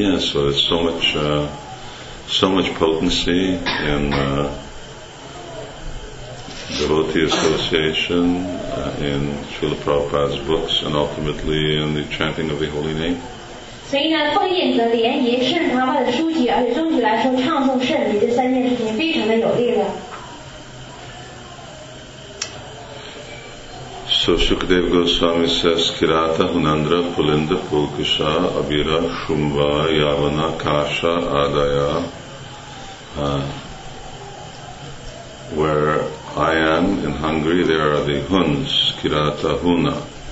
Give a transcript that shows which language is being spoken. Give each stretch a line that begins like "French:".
English: So there's so much potency in devotee association, in Srila Prabhupada's books, and ultimately in the chanting of the holy name.
Chinese: 所以呢，奉献者联谊，圣婆婆的书籍，而且总体来说，唱诵圣礼这三件事情非常的有力量。
English: So Sukadev Goswami says, Kirata, Hunandra, Pulinda, Pulkisha, Abira, Shumva, Yavana, Kasha, Adaya, where I am in Hungary, there are the Huns, Kirata, Huna.